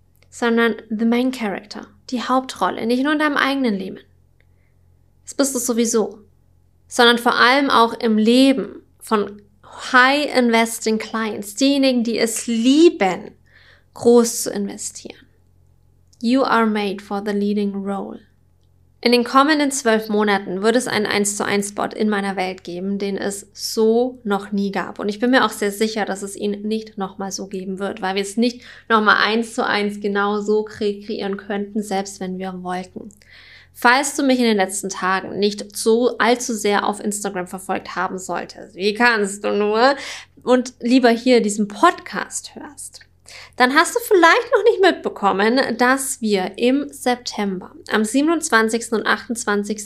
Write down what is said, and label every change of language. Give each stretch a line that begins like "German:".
German: Sondern the Main Character. Die Hauptrolle. Nicht nur in deinem eigenen Leben. Das bist du sowieso. Sondern vor allem auch im Leben von High Investing Clients. Diejenigen, die es lieben, groß zu investieren.
English: You are made for the leading role.
German: In den kommenden 12 Monaten wird es einen 1:1 Spot in meiner Welt geben, den es so noch nie gab. Und ich bin mir auch sehr sicher, dass es ihn nicht nochmal so geben wird, weil wir es nicht nochmal 1:1 genau so kreieren könnten, selbst wenn wir wollten. Falls du mich in den letzten Tagen nicht so allzu sehr auf Instagram verfolgt haben solltest, wie kannst du nur, und lieber hier diesen Podcast hörst, dann hast du vielleicht noch nicht mitbekommen, dass wir im September, am 27. und 28.